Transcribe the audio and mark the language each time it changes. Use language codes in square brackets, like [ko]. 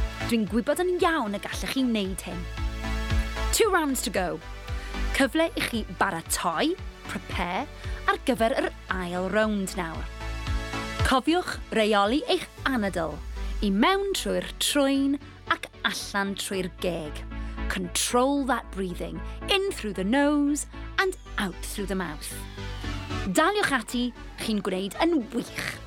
[cy] Dwi'n gwybod yn iawn y gallwch chi wneud hyn. [en] 2 rounds to go. [cy] Cyfle I chi baratoi, prepare, ar gyfer yr ail round nawr. Cofiwch reoli eich anadl. I mewn trwy'r trwyn ac allan trwy'r geg. [en] Control that breathing in through the nose and out through the mouth. [cy] Daliwch ati, chi'n gwneud yn wych.